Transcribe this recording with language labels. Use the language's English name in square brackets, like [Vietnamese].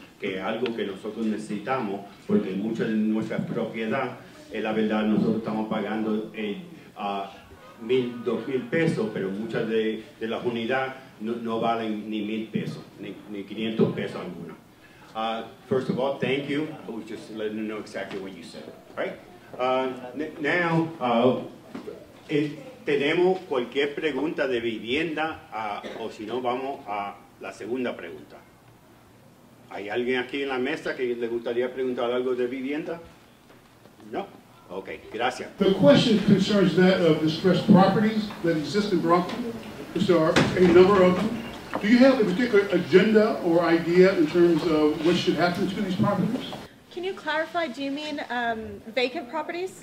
[Spanish] Que es algo que nosotros necesitamos, porque mucha de nuestra propiedad, la verdad, nosotros estamos pagando $1,000, $2,000, pero muchas de las unidades no valen ni $1,000, ni $500 alguna. [English] First of all, thank you. I was just letting you know exactly what you said, right? [Spanish] Now, tenemos cualquier pregunta de vivienda, o si no, vamos a la segunda pregunta. ¿Hay alguien aquí en la mesa que le gustaría preguntar algo de vivienda? No. Okay, gracias. [English] The question concerns that of distressed properties that exist in Brockton. There are a number of them. Do you have a particular agenda or idea in terms of what should happen to these properties? Can you clarify, do you mean vacant properties?